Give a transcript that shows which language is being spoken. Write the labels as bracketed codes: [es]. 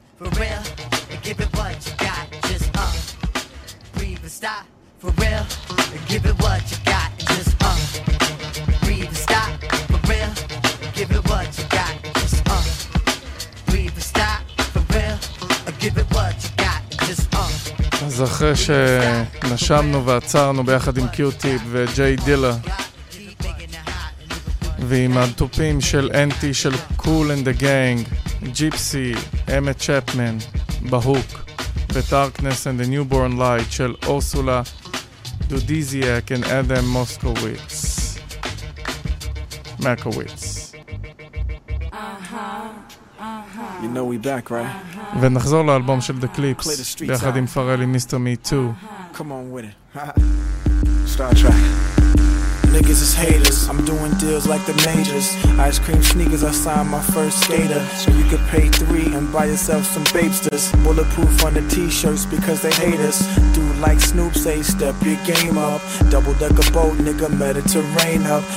[en] For real, and give it what you got. Just, breathe and stop. For real, and give it what you got. And just, breathe and stop. For real, and give it what you got. Just, breathe and stop. For real, and give it what you got. And just, [he] אז אחרי שנשמנו ועצרנו ביחד עם קיוטיפ וג'יי דילה ועם הטופים של אנטי, של קול אנד דה גאנג, ג'יפסי, אמט צ'פמן, בהוק, ודארקנס אנד דה ניובורן לייט של אורסולה, דודיזיאק אנד אדם מוסקוויץ. מקוויץ. [en] You know we back, right? [he] ונחזור לאלבום של דה קליפס, ביחד עם פרלי מיסטר מי 2. [en] Come on with it. Star Trek. Niggas is haters, I'm doing deals like the majors. Ice cream sneakers, I signed my first skater. So you could pay three and buy yourself some babesters. Bulletproof on the t-shirts because they hate us. Dude like Snoop say, step your game up. Double deck a boat, nigga, Mediterranean up.